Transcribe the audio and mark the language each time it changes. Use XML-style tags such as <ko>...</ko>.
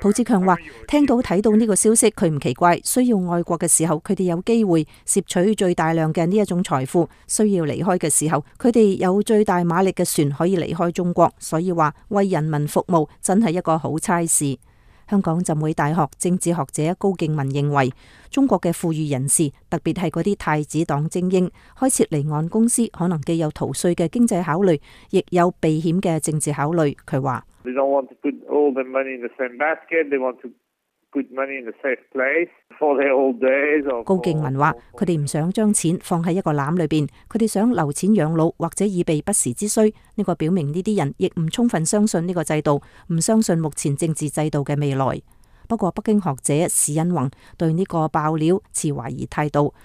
<zh>蒲志强说，听到看到这个消息，他不奇怪，需要爱国的时候，他们有机会摄取最大量的这种财富，需要离开的时候，他们有最大马力的船可以离开中国，所以说为人民服务真是一个好差事。香港浸会大学政治学者高敬文认为，中国的富裕人士，特别是那些太子党精英，开设离岸公司可能既有逃税的经济考虑，亦有避险的政治考虑。他说，</zh> <en>They don't want to put all the money in the same basket. They want to put money in the safe place for their old days.</en> <zh>高敬文说，他们不想将钱放在一个篮里面，他们想留钱养老或者以备不时之需。这个表明这些人亦不充分相信这个制度，不相信目前政治制度的未来。不过北京学者史恩宏对这个爆料持怀疑态度。</zh>